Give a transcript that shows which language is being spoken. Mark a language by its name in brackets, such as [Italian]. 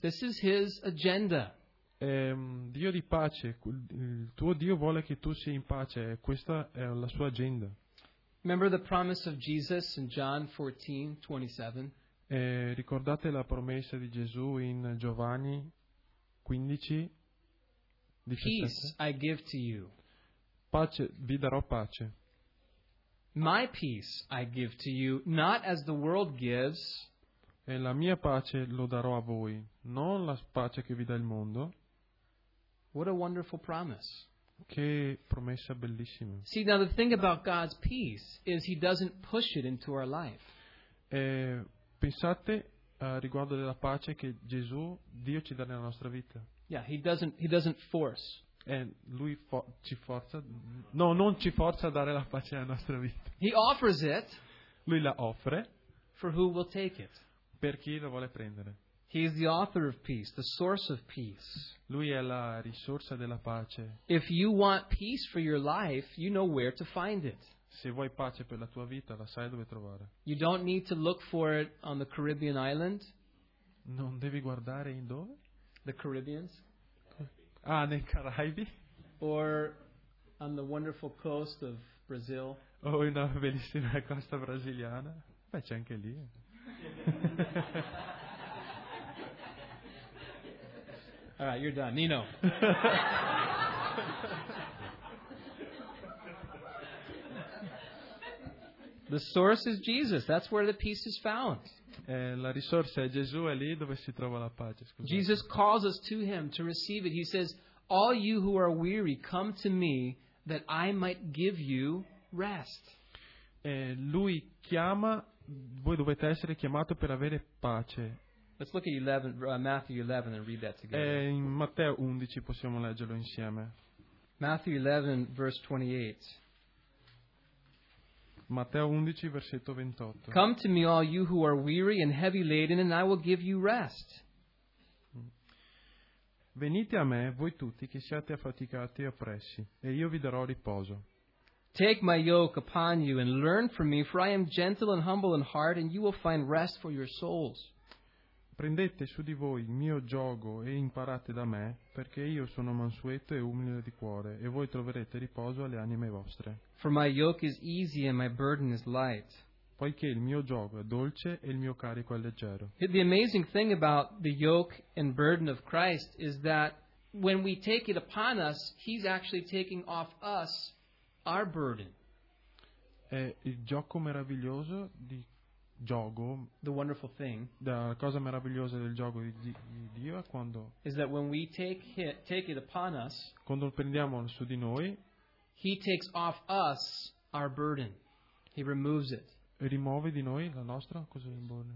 [English] This is his agenda. [Italian] Dio di pace, il tuo Dio vuole che tu sia in pace, questa è la sua agenda. [English] Remember the promise of Jesus in John 14:27? [Italian] Ricordate la promessa di Gesù in Giovanni 15:17? [English] Peace I give to you. [Italian] Pace, vi darò pace. [English] My peace I give to you, not as the world gives. [Italian] E la mia pace lo darò a voi, non la pace che vi dà il mondo. [English] What a wonderful promise. [Italian] Che promessa bellissima. [English] See, now the thing about God's peace is he doesn't push it into our life. [Italian] Pensate riguardo della pace che Gesù, Dio, ci dà nella nostra vita. [English] Yeah, he doesn't force. [Italian] Lui ci forza? No, non ci forza a dare la pace nella nostra vita. [English] He offers it. [Italian] Lui la offre. [English] For who will take it? [Italian] Per chi lo vuole prendere. [English] He is the author of peace, the source of peace. [Italian] Lui è la risorsa della pace. [English] If you want peace for your life, you know where to find it. [Italian] Se vuoi pace per la tua vita, la sai dove trovare. [English] You don't need to look for it on the Caribbean island. [Italian] Non devi guardare in dove? [English] The Caribbeans. [Italian] Ah, nei Caraibi. [English] Or on the wonderful coast of Brazil. [Italian] O in una bellissima costa brasiliana. Beh, c'è anche lì. [English] All right, you're done. Nino. The source is Jesus. That's where the peace is found. [Italian] La risorsa è Gesù, è lì dove si trova la pace. Scusate. [English] Jesus calls us to him to receive it. He says, all you who are weary, come to me that I might give you rest. [Italian] Lui chiama, voi dovete essere chiamato per avere pace. [English] Let's look at Matthew 11 and read that together. [Italian] In Matteo 11 possiamo leggerlo insieme. [English] Matthew 11, verse 28. [Italian] Matteo 11, versetto 28. [English] Come to me all you who are weary and heavy laden, and I will give you rest. [Italian] Venite a me, voi tutti che siate affaticati e oppressi, e io vi darò riposo. [English] Take my yoke upon you and learn from me, for I am gentle and humble in heart, and you will find rest for your souls. [Italian] Prendete su di voi il mio giogo e imparate da me, perché io sono mansueto e umile di cuore, e voi troverete riposo alle anime vostre. [English] For my yoke is easy and my burden is light. [Italian] Poiché il mio giogo è dolce e il mio carico è leggero. [English] The amazing thing about the yoke and burden of Christ is that when we take it upon us, he's actually taking off us our burden. [Italian] È il gioco meraviglioso di giogo. [English] The wonderful thing. [Italian] La cosa meravigliosa del giogo di Dio è quando. [English] Is that when we take it upon us. [Italian] Quando prendiamo su di noi. [English] He takes off us our burden. He removes it. [Italian] Rimuove di noi la nostra cosa di burden.